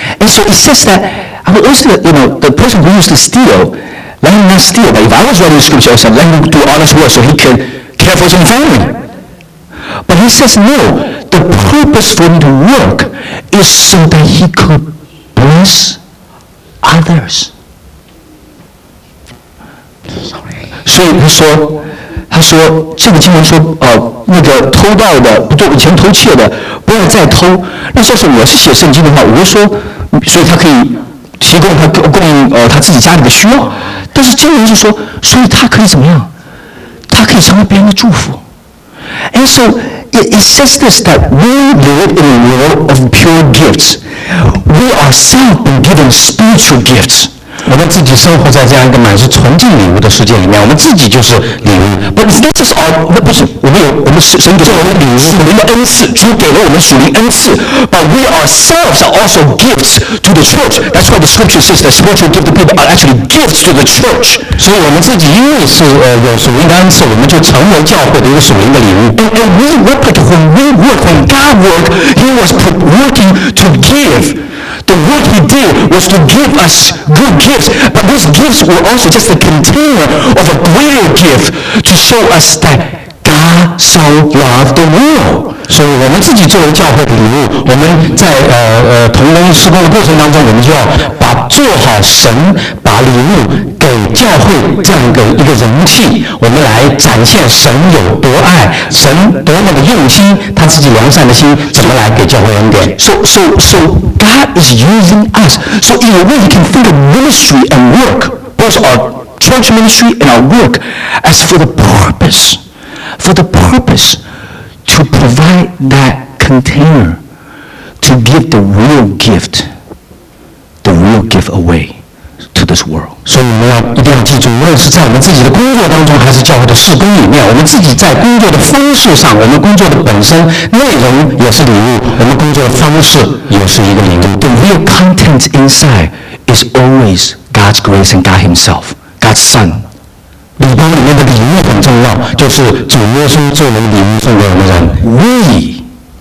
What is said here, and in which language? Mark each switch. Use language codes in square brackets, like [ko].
[en] And so it says that I would also, you know, the person who used to steal, let him not steal, but if I was writing scripture, I said let him do honest work so he can care for his own family. But he says no, the purpose for him to work is so that he could bless others. [zh] 所以他说这个经文说那个偷盗的不做以前偷窃的不要再偷，那要是我是写圣经的话，我就说所以他可以提供他供应他自己家里的需要，但是经文就说所以他可以怎么样，他可以成为别人的祝福。 [en] And so it says this that we live in a world of pure gifts, we ourselves given spiritual gifts. [zh] 我们自己生活在这样一个满是纯净礼物的世界里面，我们自己就是礼物。 [en] But it's not just our, [zh] 那不是我们有我们神给我们礼物，属灵的恩赐，主给了我们属灵恩赐。 [en] But we ourselves are also gifts to the church. That's why the scripture says that spiritual gifts to people are actually gifts to the church. [zh] 所以我们自己因为是有属灵的恩赐，我们就成为教会的一个属灵的礼物。 [en] And we replicate when we work, when God worked, He was working to give. The work he did was to give us good gifts, but those gifts were also just a container of a greater gift to show us that God so loved the world. [zh] 所以我们自己作为教会的礼物，我们在同工施工的过程当中，我们就要把做好神把礼物给教会这样一个容器，我们来展现神有多爱，神多么的用心，他自己良善的心怎么来给教会恩典。 [en] So God is using us. So in a way, we can think of ministry and work, both our church ministry and our work, as for the purpose to provide that container to give the real gift away. To this world. [zh] 所以我们要一定要记住，无论是在我们自己的工作当中，还是教会的事工里面，我们自己在工作的方式上，我们工作的本身内容也是礼物，我们工作的方式也是一个礼物。 [en] The real content inside is always God's grace and God Himself, God's Son. [zh] 礼包里面的礼物很重要，就是主耶稣作为礼物送给我们人。